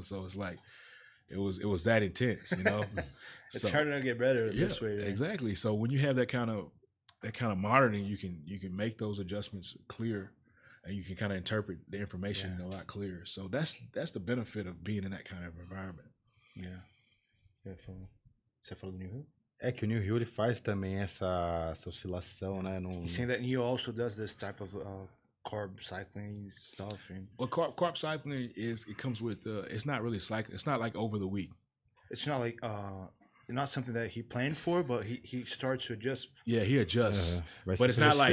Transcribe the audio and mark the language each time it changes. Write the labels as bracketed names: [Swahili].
[English] So it's like, it was that intense, you know? It's so, harder to get better this way. Right? Exactly. So when you have that kind of monitoring, you can make those adjustments clear and you can kind of interpret the information a lot clearer. So that's the benefit of being in that kind of environment. [Portuguese] Você falou do New Hill? É que o New Hill, ele faz também essa oscilação, né? [English] No... He's saying that New Hill also does this type of carb cycling stuff. And... Well, carb cycling is, it comes with, it's not really cycling, it's not like over the week. It's not like... not something that he planned for, but he starts to adjust. Yeah, he adjusts. But it's not like...